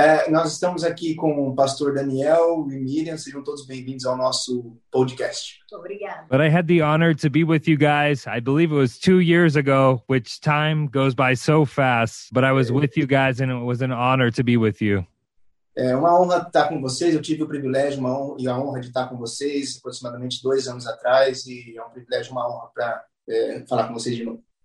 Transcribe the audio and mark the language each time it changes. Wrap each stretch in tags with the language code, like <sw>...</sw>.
<pt>Nós estamos aqui com o pastor Daniel e Miriam. Sejam todos bem-vindos ao nosso podcast. Obrigada.</pt> <en>But I had the honor to be with you guys. I believe it was 2 years ago, which time goes by so fast. But I was with you guys and it was an honor to be with you.</en> <pt>É uma honra estar com vocês. Eu tive o privilégio e a honra de estar com vocês aproximadamente 2 anos atrás. E é um privilégio e uma honra para falar com vocês de novo.</pt>